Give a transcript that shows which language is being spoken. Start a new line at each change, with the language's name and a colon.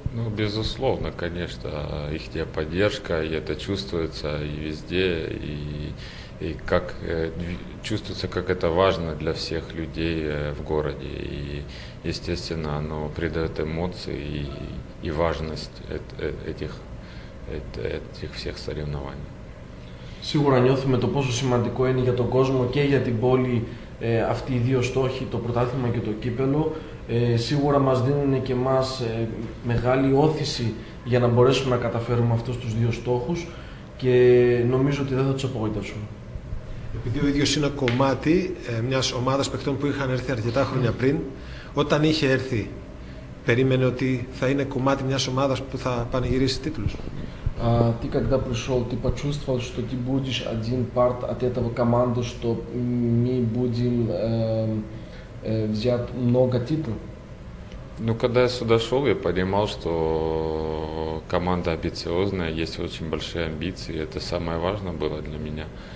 Russian: Ну, безусловно, конечно, их поддержка, и это чувствуется и везде, и как чувствуется, как это важно для всех людей в городе. И, естественно, оно придает эмоции и важность этих всех соревнований.
Greek: Σίγουρα νιώθουμε το πόσο σημαντικό είναι για τον κόσμο και για την πόλη αυτοί οι δύο στόχοι, το πρωτάθλημα και το κύπελο. Σίγουρα μας δίνουν και εμάς μεγάλη όθηση για να μπορέσουμε να καταφέρουμε αυτούς τους δύο στόχους και νομίζω ότι δεν θα τους απογοητεύσουμε. Επειδή ο ίδιος είναι κομμάτι μιας ομάδας παιχτών που είχαν έρθει αρκετά χρόνια πριν, όταν είχε έρθει, περίμενε ότι θα είναι κομμάτι μιας ομάδας που θα πανηγυρίσει τίτλους?
Russian: Ты когда пришел, ты почувствовал, что ты будешь один парт от этого команды, что мы будем взять много титулов? Ну, когда я сюда шел, я понимал, что команда амбициозная, есть очень большие амбиции, это самое важное было для меня.